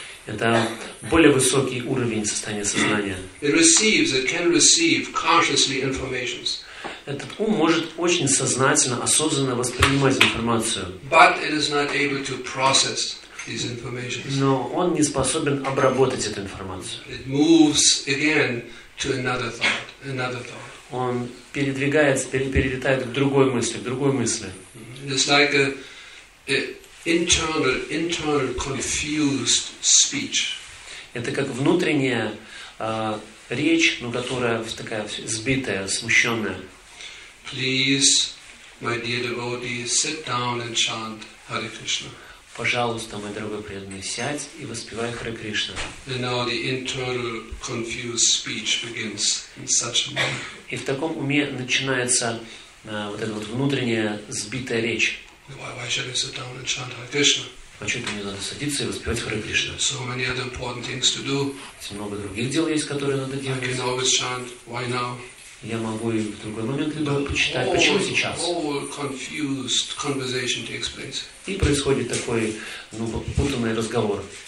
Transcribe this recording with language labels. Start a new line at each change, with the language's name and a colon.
Russian: Это более высокий уровень состояния сознания.
English: It can receive consciously information.
Russian: Этот ум может очень сознательно, осознанно воспринимать информацию.
English: But it is not able to process these information.
Russian: Но он не способен обработать эту информацию.
English: It moves again to another thought.
Russian: Он передвигается, перелетает к другой мысли, к другой мысли.
English: It's like an internal confused speech.
Russian: Это как внутренняя речь, но которая такая сбитая, смущенная.
English: Please, my dear devotees, sit down and chant Hare Krishna.
Russian: Пожалуйста, мой дорогой преданный, сядь и воспевай Хари Кришна.
English: And now the internal confused speech begins in such a way.
Russian: И в таком уме начинается вот эта вот внутренняя сбитая речь.
English: Why should I sit down and chant Hare Krishna?
Russian: Почему мне надо садиться и воспевать Хари Кришна?
English: So many other important things to do.
Russian: Есть много других дел есть, которые надо делать.
English: I can always chant. Why now?
Russian: Я могу и в другой момент либо почитать. Почему сейчас?
English: Confused conversation takes place.
Russian: И происходит такой, ну, путанный разговор.